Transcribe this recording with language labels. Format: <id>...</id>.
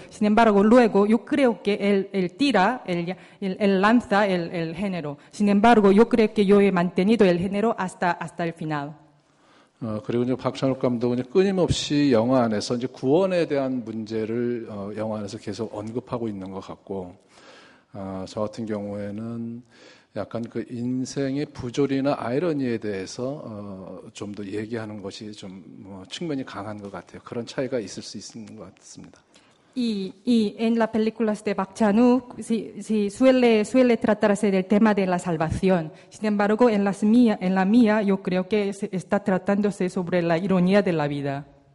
<es>Sin embargo, luego yo creo que él lanza el género. Sin embargo, yo creo que yo he mantenido el género hasta el final.</es> <ko>그리고 이제 박찬욱 감독은 이제 끊임없이 영화 안에서 이제 구원에 대한 문제를 영화 안에서 계속 언급하고 있는 것 같고, 저 같은 경우에는 약간 그 인생의 부조리나 아이러니에 대해서 좀 더 얘기하는 것이 좀 뭐 측면이 강한 것 같아요. 그런 차이가 있을 수 있는 것 같습니다.</ko> <es>Y en las películas de Park Chan-wook suele tratarse del tema de la salvación. Sin embargo, en la mía, yo creo que está tratándose sobre la ironía de la vida.</es>